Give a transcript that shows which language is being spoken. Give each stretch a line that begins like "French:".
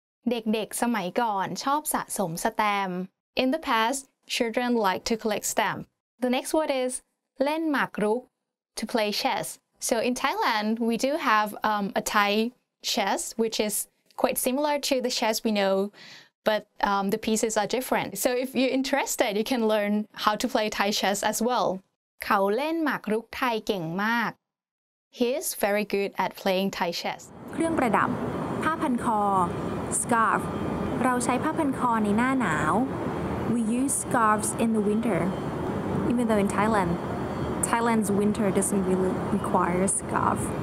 Thai: เด็กๆสมัยก่อนชอบสะสมสแตมป์
English: In the past, children like to collect stamps. The next word is
Thai: เล่นหมากรุก
English: to play chess. So in Thailand, we do have a Thai chess, which is quite similar to the chess we know, but the pieces are different. So if you're interested, you can learn how to play Thai chess as well.
Thai: เขาเล่นหมากรุกไทยเก่งมาก
English: He is very good at playing Thai chess.
Thai: เครื่องประดับผ้าพันคอ scarf เราใช้ผ้าพันคอในหน้าหนาว
English: We use scarves in the winter. Even though in Thailand, Thailand's winter doesn't really require a scarf.